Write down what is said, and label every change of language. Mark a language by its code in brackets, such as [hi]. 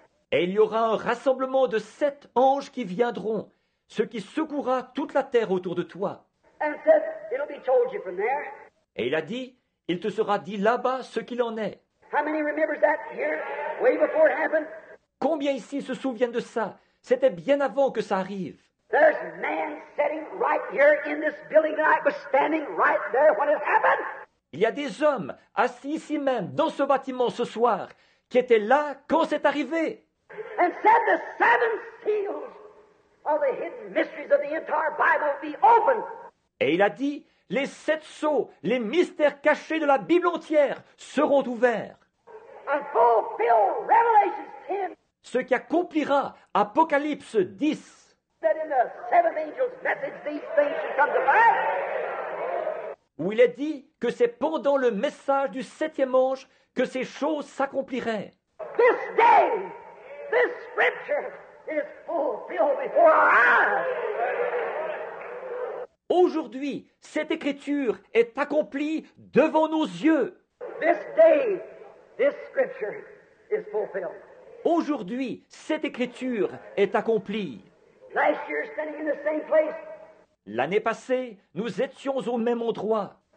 [fr] Et il y aura un rassemblement de 7 anges qui viendront, ce qui secouera toute la terre autour de toi. [en] And said, it'll be told you from there. [fr] Et il a dit, il te sera dit là-bas ce qu'il en est. [en] How many remembers that here, way before it happened? [fr] Combien ici se souviennent de ça? C'était bien avant que ça arrive. [en] There's man sitting right here in this building that I was standing right there when it happened. [fr] Il y a des hommes assis ici même dans ce bâtiment ce soir qui étaient là quand c'est arrivé. [en] And said the 7 seals of the hidden mysteries of the entire Bible be opened. [fr] Et il a dit les 7 sceaux, les mystères cachés de la Bible entière seront ouverts. [en] And fulfill Revelation 10. [fr] Ce qui accomplira Apocalypse 10. [en] That in the seventh angel's message, these things should come to pass. [fr] Où il est dit que c'est pendant le message du 7e ange que ces choses s'accompliraient. [en] This day, this scripture is fulfilled before our eyes. [fr] Aujourd'hui, cette écriture est accomplie devant nos yeux. [en] This day, this scripture is fulfilled. [fr] Aujourd'hui, cette écriture est accomplie. [en] Last year, standing in the same place. [fr] L'année passée, nous étions au même endroit.